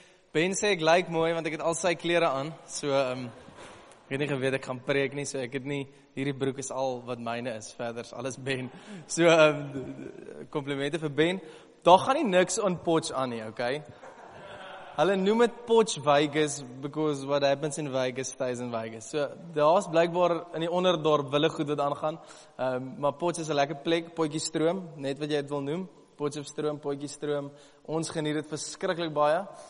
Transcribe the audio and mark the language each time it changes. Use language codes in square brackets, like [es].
[af] Ben sê gelyk mooi want ek het al sy klere aan. So ek het nie geweet ek gaan preek nie, so ek het nie hierdie broek is al wat myne is. Verder is alles Ben. So komplimente vir Ben. Daar gaan nie niks on Potch aan nie, okay? Hulle noem het Potch Vegas [en] because what happens in Vegas [af] stays in Vegas. So daar is blykbaar in die onderdorp wille goed wat aangaan. Maar Potch is 'n lekker plek, Potjie Stroom, net wat jy het wil noem. Potchefstroom, Potjiestroom, ons geniet het verskrikkelijk baie.